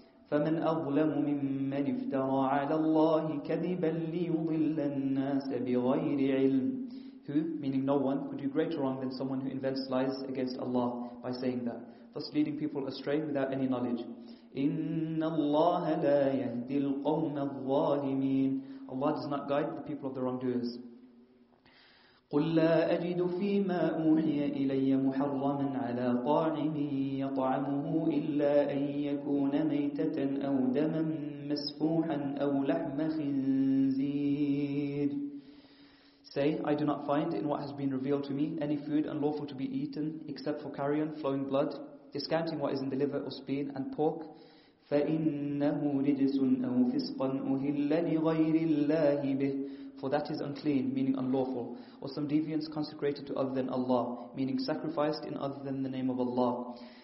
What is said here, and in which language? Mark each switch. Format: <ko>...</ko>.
<ar>فَمَنْ أَظْلَمُ مِمَّنِ افْتَرَى عَلَى اللَّهِ كَذِبًا لِيُضِلَّ النَّاسَ بِغَيْرِ عِلْمٍ.</ar> <en>Who, meaning no one, could do greater wrong than someone who invents lies against Allah by saying that, thus leading people astray without any knowledge.</en> <ar>إِنَّ اللَّهَ لَا يَهْدِي الْقَوْمَ الظَّالِمِينَ.</ar> <en>Allah does not guide the people of the wrongdoers.</en> <ar>قُلْ لَا أَجِدُ فِي مَا أُوحِيَ إِلَيَّ مُحَرَّمًا عَلَى طَاعِمٍ يَطْعَمُهُ إِلَّا أَنْ يَكُونَ مَيْتَةً أَوْ دَمًا مَسْفُوحًا أَوْ لَحْمَ خِنْزِيرٍ.</ar> <en>Say, I do not find in what has been revealed to me any food unlawful to be eaten except for carrion, flowing blood, discounting what is in the liver or spleen, and pork.</en> <ar>فَإِنَّهُ رِجْسٌ أَوْ فِسْقًا أُهِلَّ لِغَيْرِ اللَّهِ بِهِ.</ar> <en>For that is unclean, meaning unlawful, or some deviance consecrated to other than Allah, meaning sacrificed in other than the name of Allah.</en>